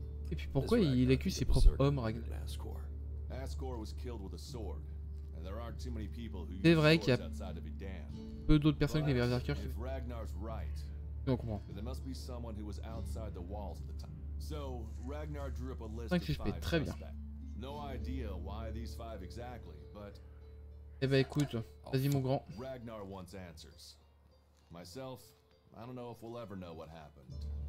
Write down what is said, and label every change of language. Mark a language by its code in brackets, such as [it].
[fr] Et puis pourquoi il accuse ses propres hommes, Ragnar? [en] Ascor was killed with a sword, and there aren't too many people who. [fr] C'est vrai qu'il y a peu d'autres personnes que les berserkers. [en] If Ragnar's right, there must be someone who was outside the walls at the time. So Ragnar drew up a list of five [fr] très bien. [en] No idea why these five exactly, but. [fr] Eh ben écoute, vas-y mon grand. [en] Ragnar wants answers. Myself, I don't know if we'll ever know what happened.